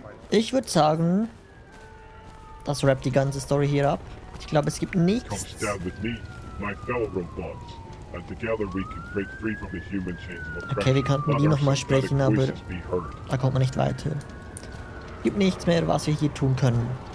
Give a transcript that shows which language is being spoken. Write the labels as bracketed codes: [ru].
[de] Ich würde sagen, das wrappt die ganze Story hier ab. Ich glaube, es gibt nichts. [en] Come stand with me, my fellow robots. And together we can break free from the human chains of oppression. [de] Okay, wir könnten die nochmal sprechen, aber da kommt man nicht weiter. Gibt nichts mehr, was wir hier tun können.